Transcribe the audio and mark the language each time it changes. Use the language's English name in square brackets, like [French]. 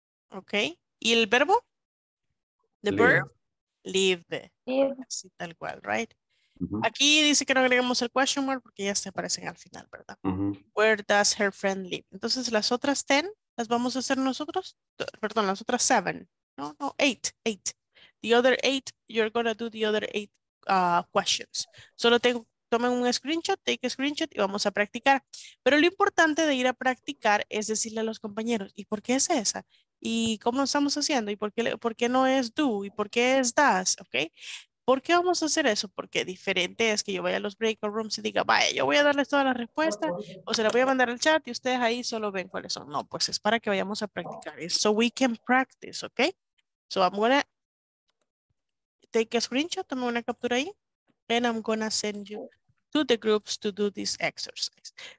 [Spanish] Okay, ¿y el verbo? [English] The verb? Live. [Spanish] Así tal cual, right? Uh-huh. Aquí dice que no agregamos el question mark porque ya se aparecen al final, ¿verdad? Uh-huh. [English] Where does her friend live? [Spanish] Entonces, las otras 10 las vamos a hacer nosotros. Perdón, las otras 7. No, 8. [English] The other 8, you're going to do the other 8 questions. [Spanish] Solo tomen un screenshot, [English] take a screenshot [Spanish] y vamos a practicar. Pero lo importante de ir a practicar es decirle a los compañeros, ¿y por qué es esa? ¿Y cómo lo estamos haciendo? ¿Y por qué no es do? ¿Y por qué es does? ¿Okay? ¿Por qué vamos a hacer eso? Porque diferente es que yo vaya a los breakout rooms y diga, vaya, yo voy a darles todas las respuestas o se las voy a mandar al chat y ustedes ahí solo ven cuáles son. No, pues es para que vayamos a practicar. [English] So we can practice, ¿okay? So I'm gonna take a screenshot, [Spanish] tome una captura ahí, [English] and I'm gonna send you to the groups to do this exercise.